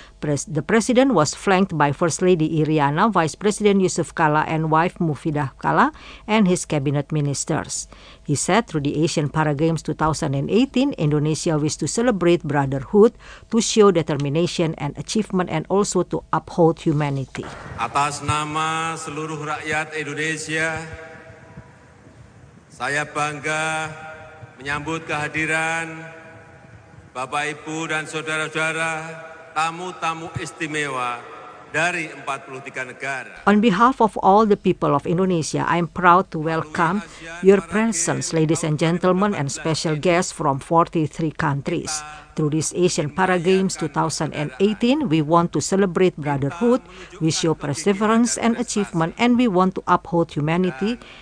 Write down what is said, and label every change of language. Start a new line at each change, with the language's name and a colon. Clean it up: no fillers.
English: The president was flanked by First Lady Iriana, Vice President Yusuf Kala and wife Mufidah Kala, and his cabinet ministers. He said through the Asian Para Games 2018, Indonesia wished to celebrate brotherhood, to show determination and achievement, and also to uphold humanity.
Indonesian: Atas nama seluruh rakyat Indonesia, saya bangga menyambut kehadiran Bapak Ibu dan saudara-saudara, tamu-tamu istimewa dari 43 negara.
English: On behalf of all the people of Indonesia, I am proud to welcome your presence, ladies and gentlemen, and special guests from 43 countries. Through this Asian Para Games 2018, we want to celebrate brotherhood, we show perseverance and achievement, and we want to uphold humanity.